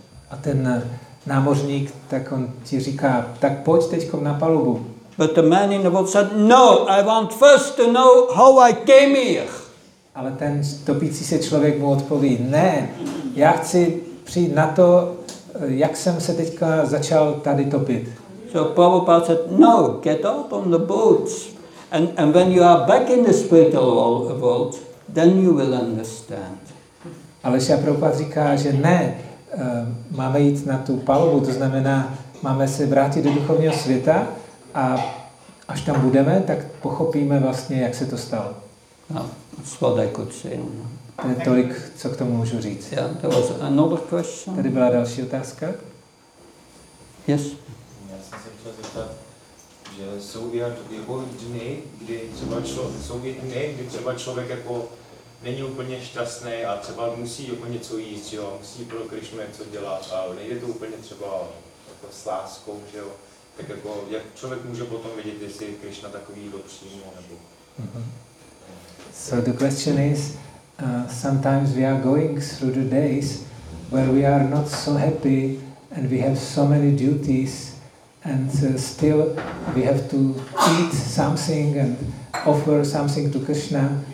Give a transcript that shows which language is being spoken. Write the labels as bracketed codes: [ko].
[cs] A ten námořník, tak on ti říká, tak pojď teďkom na palubu. [en] But the man in the boat said, no, I want first to know how I came here. [cs] Ale ten topící se člověk mu odpoví, ne, já chci přijít na to, jak jsem se teďka začal tady topit. [en] So Prabhupada said, no, get up on the boat. And when you are back in the spiritual world, then you will understand. [cs] Ale Šila Prabhupada říká, že ne, máme jít na tu palubu, to znamená, máme se vrátit do duchovního světa a až tam budeme, tak pochopíme vlastně, jak se to stalo. To je tolik, co k tomu můžu říct. [en] Yeah, there was another question. [cs] Tady byla další otázka. [en] Yes. [cs] Já jsem se chtěl zeptat, že jsou dny, kdy třeba člověk jako není úplně šťastný a třeba musí jako něco jíst, jo? Musí pro Krišnu něco dělat a nejde to úplně třeba jako s láskou, že jo? Tak jako, jak člověk může potom vidět, jestli Krišna takový dopřímo nebo... [en] So the question is, sometimes we are going through the days where we are not so happy and we have so many duties and still we have to eat something and offer something to Krishna.